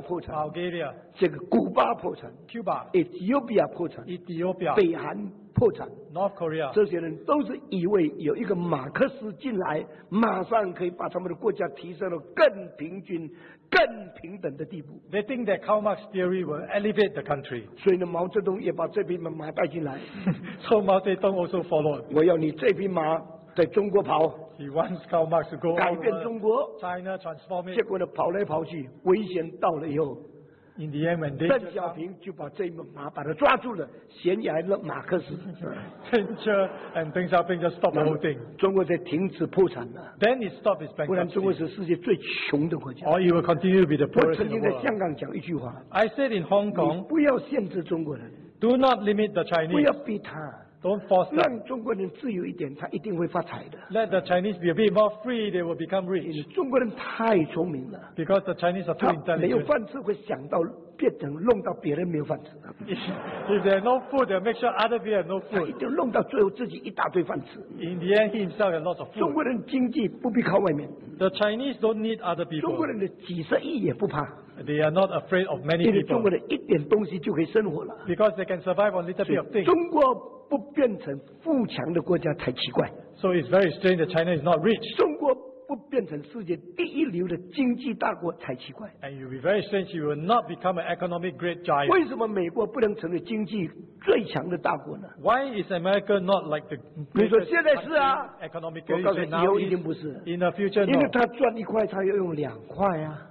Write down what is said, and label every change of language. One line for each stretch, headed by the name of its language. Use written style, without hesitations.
English: Bulgaria,
Chinese: 这个古巴破产,
English: Cuba,
Chinese: Ethiopia, 破产,
English: Ethiopia,
Chinese: 北韩破产,
English: North Korea.
Chinese: 这些人都是以为有一个马克思进来, 马上可以把他们的国家提升到更平均, 更平等的地步。
English: They think that Karl Marx theory will elevate the country.
Chinese: 所以呢，毛泽东也把这匹马带进来。
English: So Mao Zedong also followed.
Chinese: 我要你这匹马在中国跑。
English: He wants Karl Marx to go.
Chinese: 改变中国。
English: China transform it.
Chinese: 结果呢，跑来跑去，危险到了以后。
English: In the end, when they
Chinese: 邓小平就把这匹马把它抓住了，衔来了马克思。
English: Thatcher and Deng Xiaoping just stopped the whole thing.
Chinese: 中国才停止破产了。
English: Then it stopped its bankruptcy.
Chinese: 不然中国是世界最穷的国家。
English: Or it will continue to be the poorest in the world.
Chinese: 我曾经在香港讲一句话。
English: I said in Hong Kong.
Chinese: 你不要限制中国人。
English: Do not limit the Chinese.
Chinese: 不要逼他。
English: Don't force them.
Chinese: 让中国人自由一点，他一定会发财的。
English: Let the Chinese be a bit more free, they will become rich.
Chinese: 中国人太聪明了。
English: Because the Chinese are too intelligent.
Chinese: 没有饭吃会想到变成弄到别人没有饭吃。
English: If they have no food, they'll make sure other people have no food.
Chinese: 他一定弄到最后自己一大堆饭吃。
English: In the end, he himself has lots of food.
Chinese: 中国人经济不必靠外面。
English: The Chinese don't need other people.
Chinese: 中国人的几十亿也不怕。
English: They are not afraid of many people.
Chinese: 因为中国人一点东西就可以生活了。
English: Because they can survive on little bit of things.
Chinese: 中国不变成富强的国家才奇怪。
English: So it's very strange that China is not rich.
Chinese: 中国不变成世界第一流的经济大国才奇怪。
English: And you'll be very strange if you will not become an economic great giant.
Chinese: 为什么美国不能成为经济最强的大国呢？
English: Why is America not like the greatest economic great giant? In the future, no.
Chinese: 因为他赚一块，他要用两块啊。